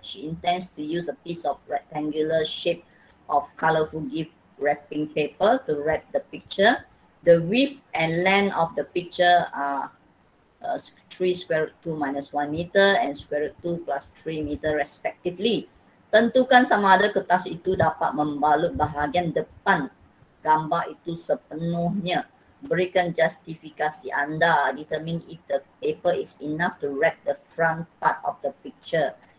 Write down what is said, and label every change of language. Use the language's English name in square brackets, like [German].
[English] She intends to use a piece of rectangular shape of colorful gift wrapping paper to wrap the picture. The width and length of the picture are 3√2 - 1 meter and √2 + 3 meter respectively. [Malay] Tentukan sama ada kertas itu dapat membalut bahagian depan gambar itu sepenuhnya. Berikan justifikasi anda. [English] Determine if the paper is enough to wrap the front part of the picture.